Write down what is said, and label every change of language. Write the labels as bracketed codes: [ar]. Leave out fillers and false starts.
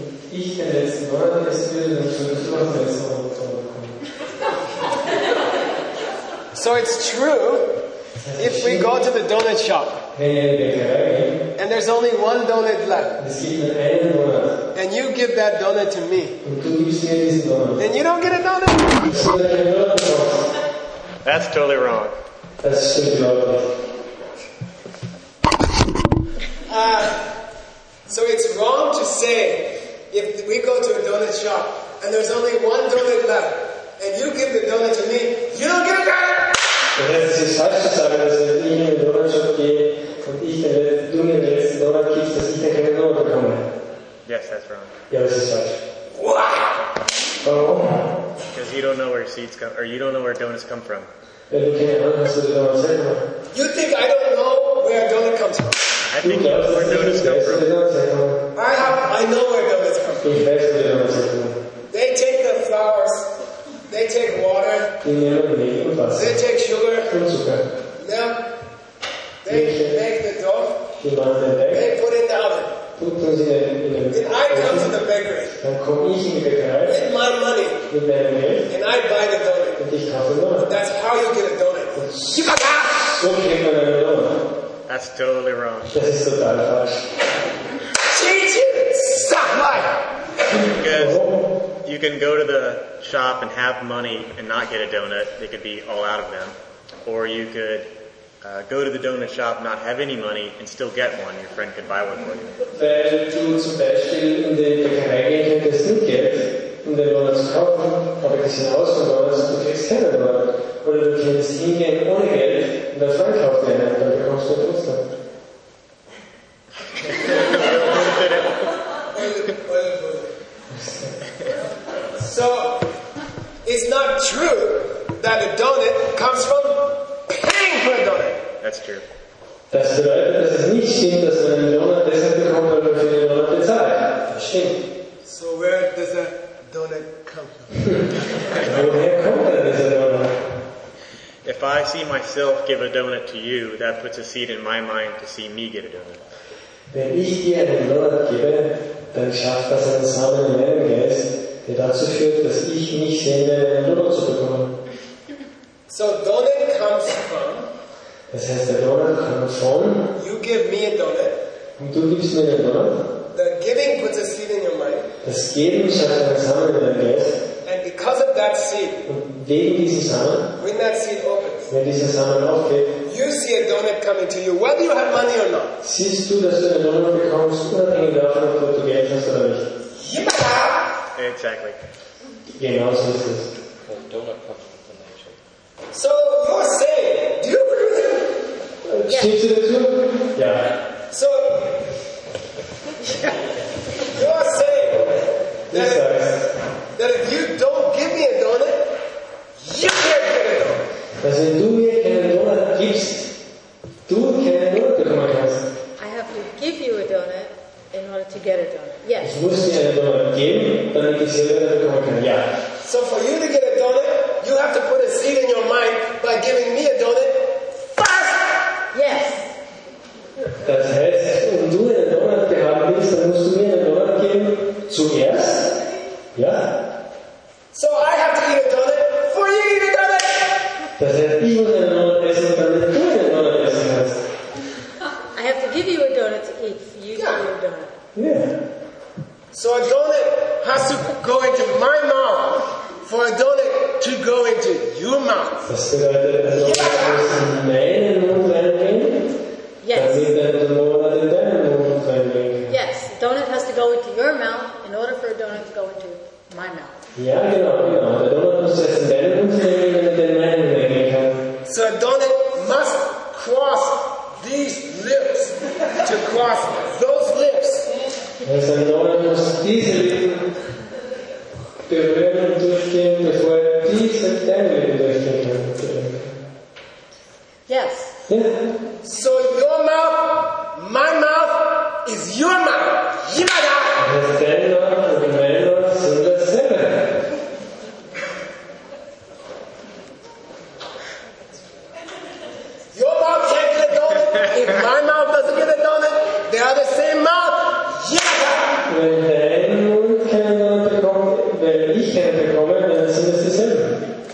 [de] Ich bin der letzte Donut, der ist drin, und ich würde auch den letzten Donut bekommen. [en] So it's true, if we go to the donut shop, [de] wenn wir in die Bäckerei gehen, [en] And there's only one donut left. And you give that donut to me. Then you don't get a donut. That's totally wrong. That's so wrong. So it's wrong to say, if we go to a donut shop and there's only one donut left, and you give the donut to me, you don't get a donut! [de] Das ist falsch zu sagen, dass wenn ich in den Donutshop gehe und ich den letzten Donut gibst, dass ich dann keine Donut bekomme. [en] Yes, that's wrong. [de] Ja, das ist falsch. Warum? [en] Because you don't know where seeds come, or you don't know where donuts come from. [de] Wenn du keine Ahnung hast, wo die Donuts herkommen. [en] You think I don't know where a donut comes from? I think you know where donuts come from. I know where donuts come from. [de] Ich weiß, wo die Donuts herkommen. [en] They take the flowers. They take water. They take sugar. Milk. They make the dough. They put it in the oven. Then I come to the bakery. With my money. And I buy the donut. That's how you get a donut. That's totally wrong. That is totally wrong. Teach it! Stop my! Good. You can go to the shop and have money and not get a donut. They could be all out of them. Or you could go to the donut shop, not have any money, and still get one. Your friend could buy one for you. [de] Weil du zum Beispiel in die Bäckerei gehen könntest, nicht Geld, um den Donut zu kaufen, aber das hinaus von Donuts, du kriegst keinen Donut. Oder du könntest hingehen ohne Geld und der Freund kauft dir einen, dann bekommst du einen Donut. [en] It's not true that a donut comes from paying for a donut. That's true. [de] Das bedeutet, dass es nicht stimmt, dass man einen Donut deshalb bekommt, weil man für den Donut bezahlt. Das stimmt. [en] So where does a donut come from? [de] Woher kommt denn dieser Donut? [en] If I see myself give a donut to you, that puts a seed in my mind to see me get a donut. [de] Wenn ich dir einen Donut gebe, dann schafft das einen Samen in meinem Geist, der dazu führt, dass ich mich sehne, einen Donut zu bekommen. [en] So donut comes from. [de] Das heißt, der Donut kommt von. [en] You give me a donut. [de] Und du gibst mir einen Donut. [en] The giving puts a seed in your mind. [de] Das Geben schafft einen Samen in deinem Geist. [en] And because of that seed. [de] Und wegen diesem Samen. [en] When that seed opens. [de] Wenn dieser Samen aufgeht. [en] You see a donut coming to you, whether you have money or not. [de] Siehst du, dass du einen Donut bekommst, unabhängig davon, ob du Geld hast oder nicht? [en] Yeah. Exactly. [de] Genau so ist es. [en] Well, donut comes from the nature. So you're saying, do you agree with [de] me? Stimmt ihr dazu? Ja. [en] So you're saying that if you don't give me a donut, you can't get a donut. [de] Dass wenn du mir keinen Donut gibst, du keinen Donut bekommen kannst. [en] I have to give you a donut in order to get a donut. Yes. [de] Ich muss dir einen Donut geben, damit ich selber einen bekommen kann. Ja. [en] So for you to get a donut, you have to put a seed in your mind by giving me a donut first. Yes. [de] Das heißt, wenn du einen Donut bekommen willst, dann musst du mir einen Donut geben zuerst. Ja. [en] So I have to eat a donut for you to eat a donut. [de] Das heißt, ich muss einen Donut essen, damit du einen Donut essen kannst. [en] I have to give you a donut to eat for you to eat a donut. Yeah. So a donut has to go into my mouth for a donut to go into your mouth. [de] Das bedeutet, ein Donut muss in meinen Mund reinbringen, damit ein Donut in deinen Mund reinbringen. [en] Yes, donut has to go into your mouth in order for a donut to go into my mouth. [de] Ja, genau. Der Donut muss erst in deinen Mund reinbringen, damit er in meinen Mund reinbringen kann. [en] So a donut must cross these lips to cross those lips. [de] Also ein Donut muss diese Lippen berühren und durchgehen, bevor er diese Lippen durchgehen kann. [en] Yes. [de] Ja. [en] So your mouth, my mouth, is your mouth. [de] Jemand da! Also dein Donut und mein Donut sind dasselbe. [en] Your mouth can't get a donut. If my mouth doesn't get a donut, they are the same mouth. [de] Wenn dein Mund keinen Donut bekommt, wenn ich keinen bekomme, dann sind es dieselben.